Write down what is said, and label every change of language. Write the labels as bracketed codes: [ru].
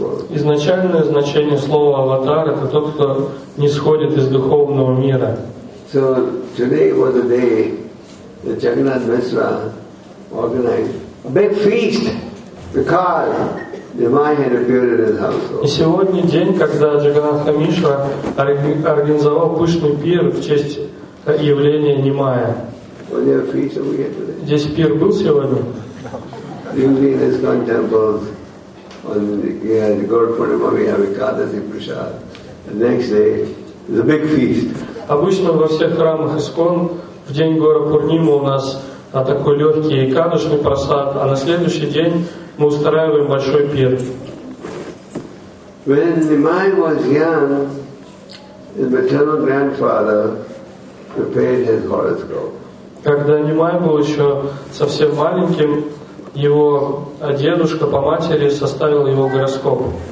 [ru] Изначальное значение слова «аватар» — это тот, кто нисходит из духовного мира. [en] So today was the day the Jagannath Misra organized a big feast because Devi had appeared in his household. [ru] И сегодня день, когда Джаганнатха Мишра организовал пышный пир в честь явления Немая. Здесь пир был сегодня? [en] Usually in ISKCON temples, on the Gaurapurnima, we have Ekadasi Prasad. The next day is a big feast. [ru] Обычно во всех храмах ISKCON в день Гаурапурнимы у нас такой легкий Экадашный Прасад, а на следующий день мы устраиваем большой пир. [en] When Nimai was young, his maternal grandfather prepared his horoscope. [ru] Когда Нимай был еще совсем маленьким, его дедушка по матери составил его гороскоп.